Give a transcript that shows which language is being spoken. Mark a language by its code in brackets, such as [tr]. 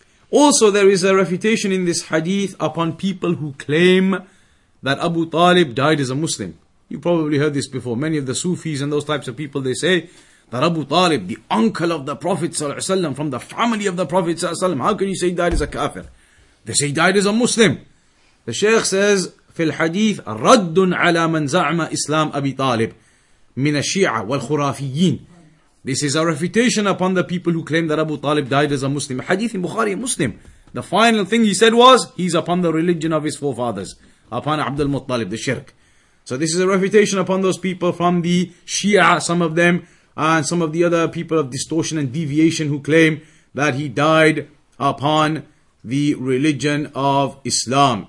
[en] Also, there is a refutation in this hadith upon people who claim that Abu Talib died as a Muslim. You probably heard this before. Many of the Sufis and those types of people, they say that Abu Talib, the uncle of the Prophet ﷺ, from the family of the Prophet ﷺ, how can you say he died as a kafir? They say he died as a Muslim. The Shaykh says, [ar] في الحديث رد على من زعم إسلام أبي طالب من الشيعة والخرافيين. [en] This is a refutation upon the people who claim that Abu Talib died as a Muslim. Hadith in Bukhari, Muslim. The final thing he said was, he's upon the religion of his forefathers, upon Abdul Muttalib, the shirk. So this is a refutation upon those people from the Shia, some of them, and some of the other people of distortion and deviation who claim that he died upon the religion of Islam.